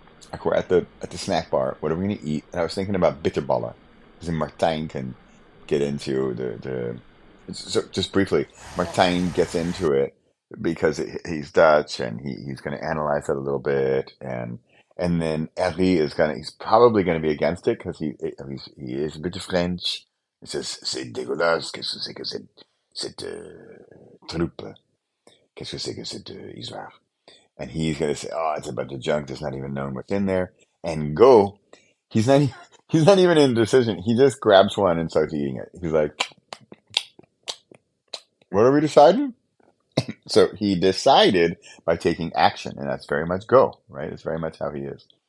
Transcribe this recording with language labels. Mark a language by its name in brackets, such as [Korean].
[English] Like we're at the snack bar. What are we going to eat? And I was thinking about Bitterballer, because Martijn can get into the. So just briefly, Martijn gets into it because he's Dutch and he's going to analyze it a little bit, and then Harry is gonna he's probably going to be against it because he is a bit of French. [French] He says c'est dégueulasse, qu'est-ce que c'est que cette troupe, qu'est-ce que c'est que cette histoire. [English] And he's gonna say, "Oh, it's a bunch of junk. There's not even known what's in there." And Go, he's not even in decision. He just grabs one and starts eating it. He's like, "What are we deciding?" So he decided by taking action, and that's very much Go, right? It's very much how he is.